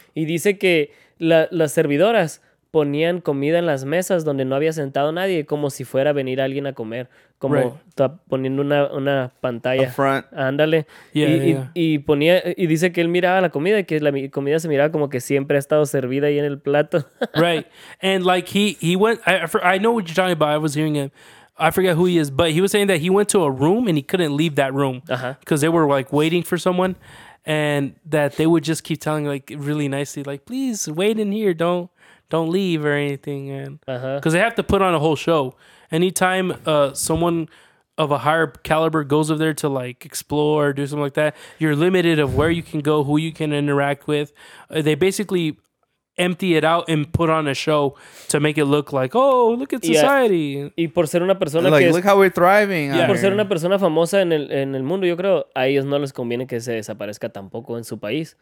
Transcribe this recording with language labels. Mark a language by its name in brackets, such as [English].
[Spanish] Y dice que las servidoras ponían comida en las mesas donde no había sentado nadie, como si fuera a venir alguien a comer, como poniendo una pantalla. [English] Up front. [Spanish] Ándale. Y dice que él miraba la comida y que la comida se miraba como que siempre ha estado servida ahí en el plato. [English] Right. And like he went, I know what you're talking about. I was hearing him. I forget who he is, but he was saying that he went to a room and he couldn't leave that room because they were like waiting for someone, and that they would just keep telling like really nicely, like, please wait in here. Don't leave or anything. And because they have to put on a whole show. Anytime someone of a higher caliber goes over there to like explore or do something like that, you're limited of where you can go, who you can interact with. They basically empty it out and put on a show to make it look like, oh, look at society. [Spanish] Y por ser una persona [English] like, [Spanish] que [English] look how we're thriving. [Spanish] Y por ser una persona famosa en el mundo, yo creo, a ellos no les conviene que se desaparezca tampoco en su país.